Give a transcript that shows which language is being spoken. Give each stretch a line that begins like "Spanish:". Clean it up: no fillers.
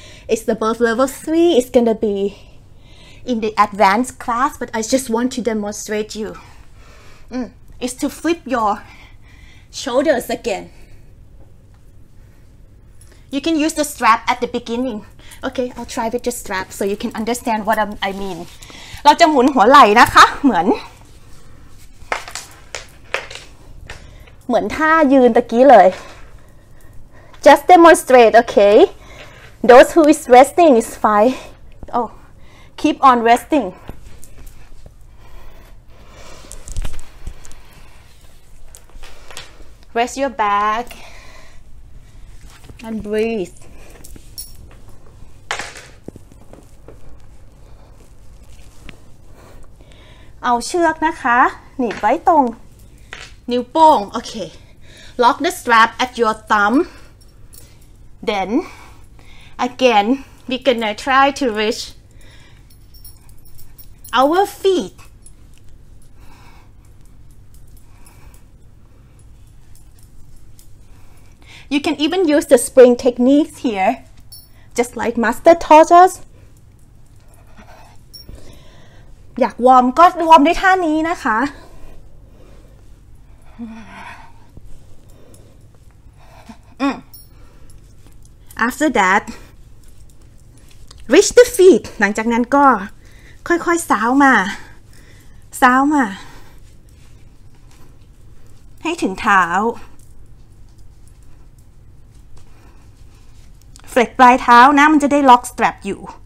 English: It's above level 3. It's going to be in the advanced class, but I just want to demonstrate you. It's to flip your shoulders again. You can use the strap at the beginning. Okay, I'll try with the strap so you can understand what I mean.
Thai: เราจะหมุนหัวไหล่นะคะเหมือนท่ายืนตะกี้เลย
English: Just demonstrate, okay? Those who is resting is fine. Oh, keep on resting. Rest your back. And breathe.
Thai: เอาเชือกนะคะหนีบไว้ตรงนิ้วโป้ง okay.
English: Lock the strap at your thumb. Then, again, we're gonna try to reach our feet. You can even use the spring techniques here, just like Master taught us.
Thai: อยากวอร์มก็วอร์มด้วยท่านี้นะคะ
English: After that, reach the feet.
Thai: หลังจากนั้นก็ค่อยๆสาวมาให้ถึงเท้าเฟล็กปลายเท้านะมันจะได้ล็อกสแตรปอยู